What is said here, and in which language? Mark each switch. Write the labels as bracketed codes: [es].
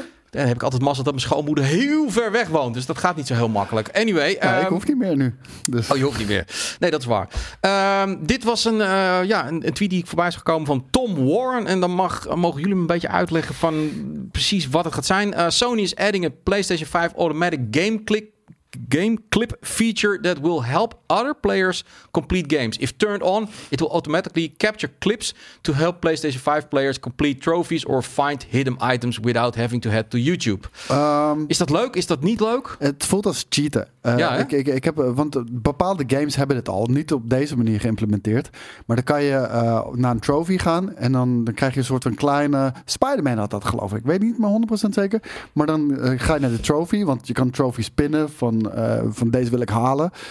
[nl] Dan heb ik altijd mazzel dat mijn schoonmoeder heel ver weg woont. Dus dat gaat niet zo heel makkelijk. [en] Anyway. [nl] Nou, ik hoef niet meer nu. Dus. Oh, je hoeft niet meer. Nee, dat is waar. Dit was een tweet die ik voorbij is gekomen van Tom Warren. En dan mogen jullie me een beetje uitleggen van precies wat het gaat zijn. [en] Sony is adding a PlayStation 5 automatic game clip feature that will help other players complete games. If turned on, it will automatically capture clips to help PlayStation 5 players complete trophies or find hidden items without having to head to YouTube. [nl] Is dat leuk? Is dat niet leuk? Het voelt als cheaten. Ik heb, want bepaalde games hebben het al niet op deze manier geïmplementeerd. Maar dan kan je naar een trophy gaan en dan krijg je een soort van kleine... Spider-Man had dat, geloof ik. Ik weet niet maar 100% zeker. Maar dan ga je naar de trophy, want je kan trophies pinnen van deze wil ik halen.